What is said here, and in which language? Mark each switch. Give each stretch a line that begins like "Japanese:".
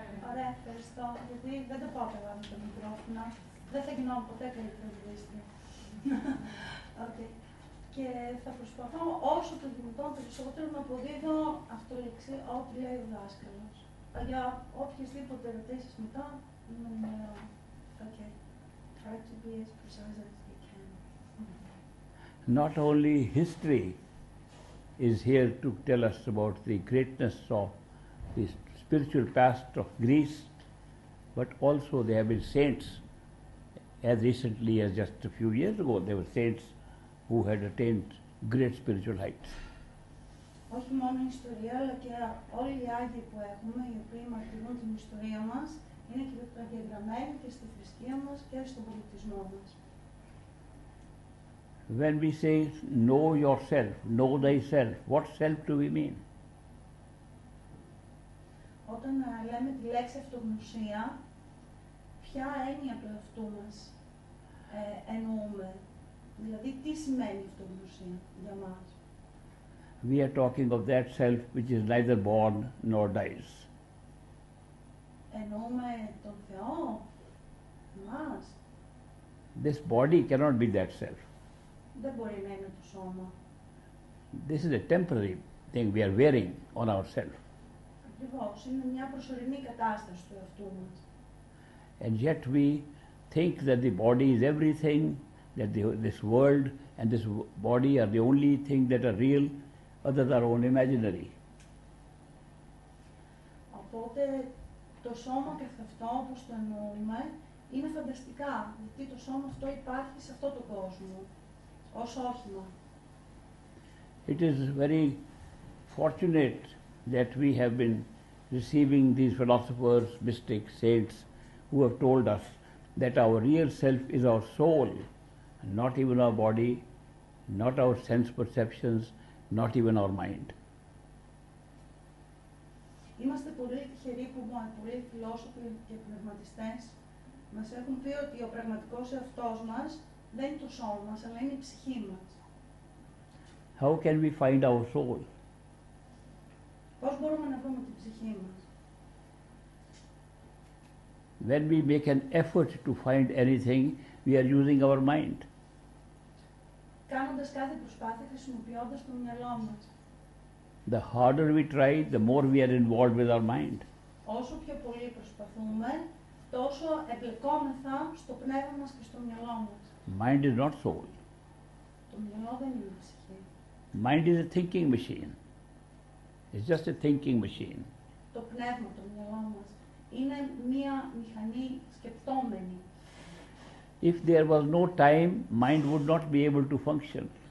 Greek: Ωραία, ευχαριστώ, γιατί δεν το πάω καλά με το μικρόφωνο. Δεν θα γινόμουν ποτέ καλύτερα. Okay. Και θα προσπαθώ όσο το δυνατόν περισσότερο να αποδίδω αυτό λέξη, ό,τι λέει ο δάσκαλος. Για οποιασδήποτε ερωτήσεις μετά, είμαι νομίζω.
English: Okay. Try to be as precise as you can. Not only history is here to tell us about the greatness of the spiritual past of Greece, but also there have been saints. As recently as just a few years ago, there were saints who had attained great spiritual heights.
Greek: Όχι μόνο η ιστορία, αλλά και όλοι οι άγιοι που έχουμε, οι οποίοι μαρτυρούν την ιστορία μας, είναι και διαγραμμένοι και στη θρησκεία μας και στον πολιτισμό μας.
English: When we say, know yourself, know thyself, what self do we mean?
Greek: Όταν λέμε τη λέξη αυτογνωσία, ποια έννοια του εαυτού μας εννοούμε, δηλαδή τι σημαίνει αυτογνωσία για μας.
English: We are talking of that self which is neither born nor dies.
Greek: Εννοούμε τον Θεό, εμάς.
English: This body cannot be that self.
Greek: Δεν μπορεί να είναι το σώμα.
English: This is a temporary thing we are wearing on ourselves.
Greek: Ακριβώς, είναι μια προσωρινή κατάσταση του εαυτού μας.
English: And yet we think that the body is everything, that this world and this body are the only thing that are real, others are only imaginary.
Greek: Οπότε το σώμα και αυτό όπως το εννοούμε είναι φανταστικά, γιατί το σώμα αυτό υπάρχει σε αυτό το κόσμο, ως όχημα.
English: It is very fortunate that we have been receiving these philosophers, mystics, saints, who have told us that our real self is our soul, not even our body, not our sense perceptions, not even our mind.
Greek: Είμαστε πολύ τυχεροί που πολλοί φιλόσοφοι και πνευματιστές μας έχουν πει ότι ο πραγματικός εαυτός μας δεν είναι το σώμα μας, αλλά είναι η ψυχή μας.
English: How can we find our soul?
Greek: Πώς μπορούμε να βρούμε την ψυχή μας?
English: When we make an effort to find anything, we are using our mind.
Greek: Κάνοντας κάθε προσπάθεια, χρησιμοποιώντας το μυαλό μας.
English: The harder we try, the more we are involved with our mind.
Greek: Όσο πιο πολύ προσπαθούμε, τόσο εμπλεκόμεθα στο πνεύμα μας και στο μυαλό μας.
English: Mind is not soul.
Greek: Το μυαλό δεν είναι ψυχή.
English: Mind is a thinking machine. It's just a thinking machine.
Greek: Το πνεύμα, το μυαλό μας. Είναι μία μηχανή σκεπτόμενη.
English: If there was no time, mind would not be able to function.